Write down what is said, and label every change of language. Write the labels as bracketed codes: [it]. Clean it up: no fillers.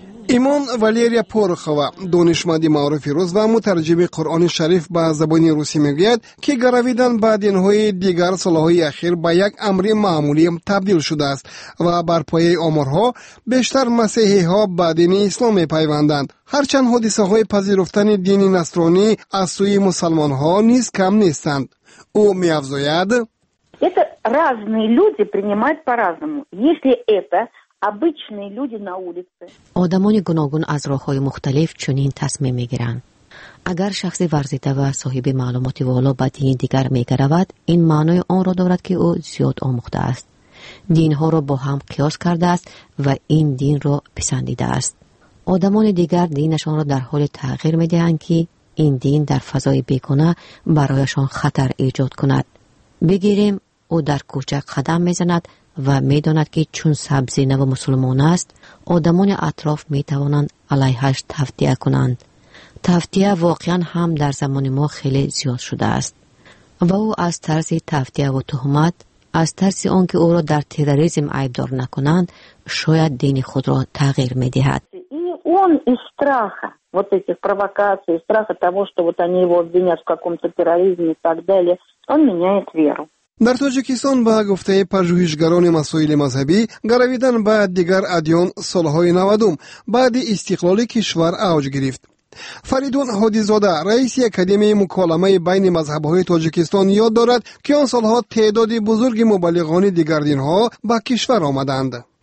[fa] ایمان والریا پورخوا، دانشمند معروف روس و مترجم قرآن شریف به زبان روسی، میگوید که گرویدن به دینهای دیگر سالهای اخیر به یک امر معمولی تبدیل شده است و بر پایه آمارها بیشتر مسیحی ها به دین اسلام میپیوندند، هرچند حادثه های پذیرفتن دین نصرانی از سوی مسلمان ها نیز کم نیستند. او میافزاید: It's [ru] разные люди принимают по-разному. Если это обычные люди на улице. [tg] Одамони гуногун аз роҳҳои мухталиф чунин тасмим мегиранд. Агар шахси варзида ва соҳиби маълумоти воло ба дини дигар мегаравад, ин маънои онро дорад ки ӯ зиёд омӯхтааст. Динҳоро бо ҳам қиёс кардааст ва ин динро писандидааст. Одамони дигар динашонро дар ҳоли тағйир медиҳанд ки ин дин дар фазои бегуна барояшон хатар эҷод кунад. Бигирем, ӯ дар кӯча қадам мезанад ва медонад ки чун сабзи наву мусулмон аст, одамони атроф метавонанд алайҳаш тавтия кунанд. [fa] تفتیه واقعاً هم در زمان ما خیلی زیاد شده است و او از طرز تفتیه و تهمت از طرز آن که او را در تروریسم عیبدار نکنند شاید دین خود را تغییر می‌دهد و اون از [ru] страха вот этих провокаций страха того что вот они его обвиняют в каком-то терроризме и так далее он меняет веру. [fa] در تاجیکستان به گفته پژوهشگران مسائل مذهبی گرویدن به دیگر ادیان سال‌های 90 بعد استقلال کشور اوج گرفت. فریدون حادی‌زاده رئیس اکادمی مکالمه بین مذهب‌های تاجیکستان یاد دارد که آن سالها تعدادی بزرگی مبلغان دیگر دین‌ها به کشور آمدند.